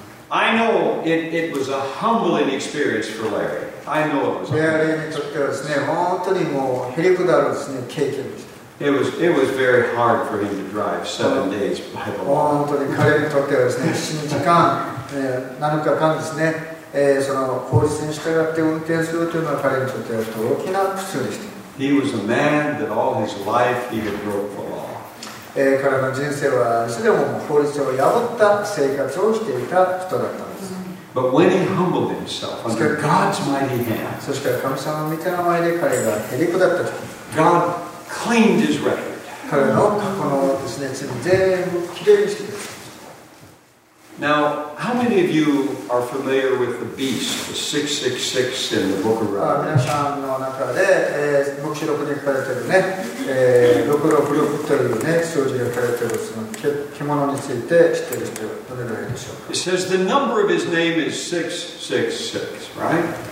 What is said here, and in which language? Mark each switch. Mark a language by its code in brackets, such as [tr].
[en] I know it was a humbling experience for Larry. I know it was humbling. It was very hard for him to drive 7 days by the law. [ja] 本当に彼にとってはですね、7時間、7日間ですね、その法律に従って運転するというのは彼にとっては大きな苦痛でした。 [en] He was a man that all his life he had broke the law. [ja] 彼の人生はいつでも法律を破った生活をしていた人だったんです。 [en] But when he humbled himself under God's mighty hand, [ja] そして神様の御手の前で彼がへりくだった時、 [en] God cleaned his record. [ja] 彼の過去のですね、罪を全部きれいにしてくれました。 [en] Now, how many of you are familiar with the beast, the 666 in the book of Revelation? [ja] 皆さんの中で、目視録に書かれているね、666というね、数字が書かれているその獣について知っている人はどれぐらいでしょうか? [en] It says the number of his name is 666, right?